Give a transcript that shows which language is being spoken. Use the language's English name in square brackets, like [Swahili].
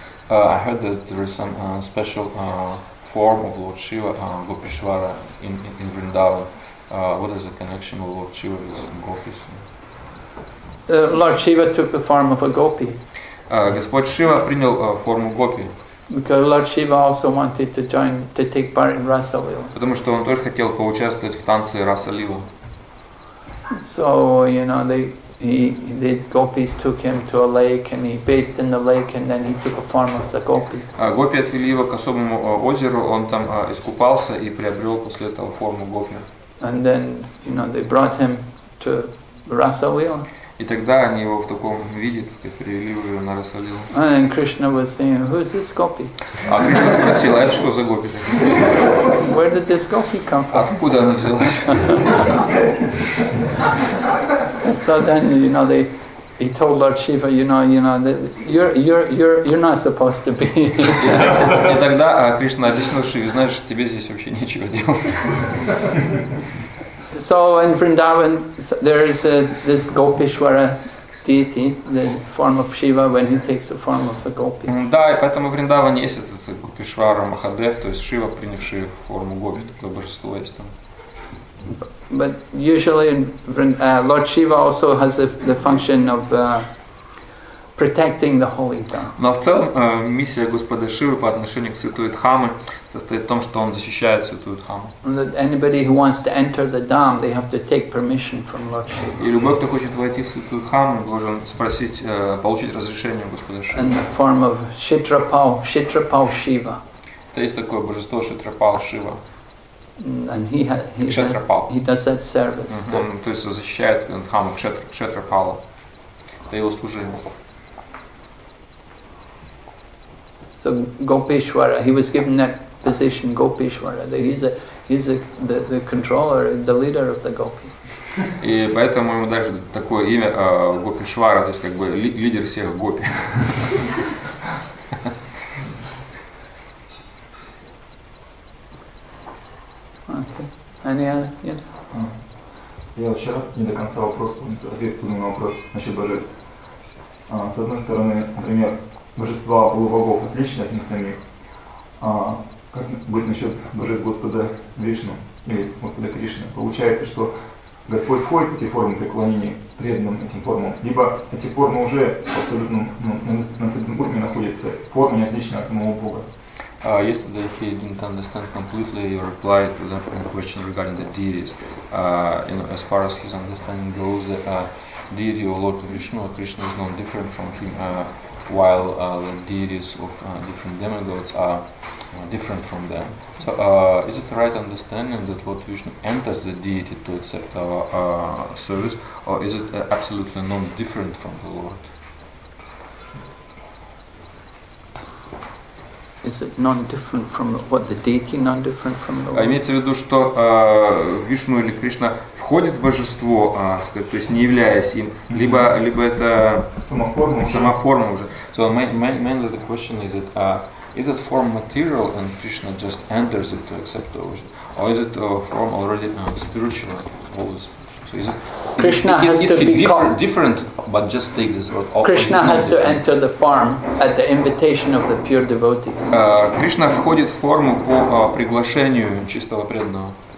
[English] I heard that there is some special form of Lord Shiva, Gopeshwara, in Vrindavan. What is the connection of Lord Shiva with Gopis? Lord Shiva took the form of a Gopi. [Russian] Господь Шива принял форму Гопи. [English] Because Lord Shiva also wanted to join, to take part in Rasa Lila. [Russian] Потому что он тоже хотел поучаствовать в танце Rasa Lila. [English] So, you know, the gopis took him to a lake and he bathed in the lake and then he took a form of the gopi. [Russian] Гопи отвели его к особому озеру, он там искупался и приобрел после этого форму гопи. [English] And then, you know, they brought him to Rasa Lila. [Russian] И тогда они его в таком виде, так сказать, привели его на Rasa Lila. [English] And then Krishna was saying, "Who is this gopi?" [Russian] А Кришна спросил, "Это что за гопи?" [English] Where did this gopi come from? [Russian] Откуда она взялась? [English] So then, you know, they He told Lord Shiva, you know that you're not supposed to be. [Russian] И тогда Кришна объяснил Шиве, знаешь, тебе здесь вообще нечего делать. [English] So in Vrindavan there is this Gopeshwara deity, the form of Shiva when he takes the form of a gopi. [Russian] Да, и поэтому в Вриндаване есть этот Гопешвара Махадев, то есть Шива, принявший форму гопи, такое божество есть там. [English] But usually Lord Shiva also has the function of protecting the holy dham. [Russian] Но в целом миссия Господа Шивы по отношению к святой Дхаме состоит в том, что он защищает святую Дхаму. [English] Anybody who wants to enter the dham, they have to take permission from Lord Shiva. [Russian] И любой, кто хочет войти в святую Дхаму, должен спросить, получить разрешение у Господа Шивы. [English] In the form of Kshitrapal Shiva. [Russian] То есть такое божество Кшетрапал Шива. [English] And he does that service. [Russian] Он то есть защищает дхаму Кшетрапала. Это его служение. [English] So Gopeshwara, he was given that position, Gopeshwara. He's the controller, the leader of the Gopi. [Russian] И поэтому ему даже такое имя Гопешвара, то есть как бы лидер всех Гопи. [English] Any other? Yes. [Russian] Я вчера не до конца вопрос понял, ответ понял на вопрос насчет божеств. С одной стороны, например, божества у богов отличны от них самих. Как быть насчет божеств Господа Вишну или Господа Кришны? Получается, что Господь входит в эти формы преклонения, преданным этим формам, либо эти формы уже абсолютно на этом уровне находятся, формы не отличны от самого Бога. [English] Yesterday he didn't understand completely your reply to that question regarding the deities. As far as his understanding goes, the deity of Lord Vishnu or Krishna is not different from him, while the deities of different demigods are different from them. So is it the right understanding that Lord Vishnu enters the deity to accept our service, or is it absolutely non-different from the Lord? Is it non-different from what the deity non-different from the Lord? [Russian] Имеется в виду, что Вишну или Кришна входит в божество, то есть не являясь им, либо это сама форма уже. [English] So mainly the question is that form material and Krishna just enters it to accept the vision, or is it a form already spiritual, always? Krishna has to enter the form at the invitation of the pure devotees. [Russian] Кришна входит в форму по приглашению чистого преданного.